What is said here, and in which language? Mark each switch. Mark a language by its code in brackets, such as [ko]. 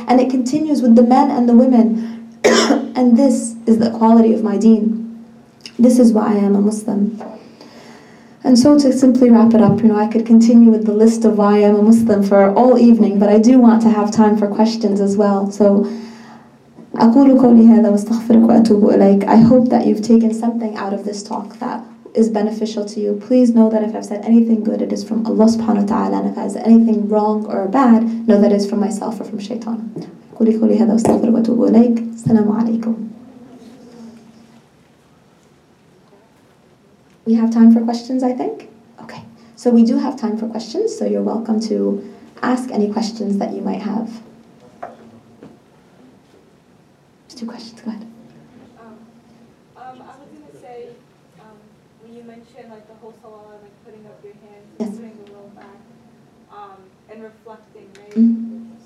[en] And it continues with the men and the women. And this is the quality of my deen. This is why I am a Muslim. And so to simply wrap it up, you know, I could continue with the list of why I am a Muslim for all evening, but I do want to have time for questions as well. So, [ar] أقول قولي هذا واستغفرك وأتوب إليك. [en] I hope that you've taken something out of this talk that is beneficial to you. Please know that if I've said anything good, it is from Allah subhanahu wa ta'ala. And if I've said anything wrong or bad, know that it's from myself or from shaitan. [ar] أقول قولي هذا واستغفرك وأتوب إليك. السلام عليكم. [en] We have time for questions, I think? Okay. So we do have time for questions, so you're welcome to ask any questions that you might have. Two questions, go ahead. I was going to say, when you mentioned like the whole salah, like putting up your hands, yes, and putting the low back, and reflecting, right? Mm-hmm.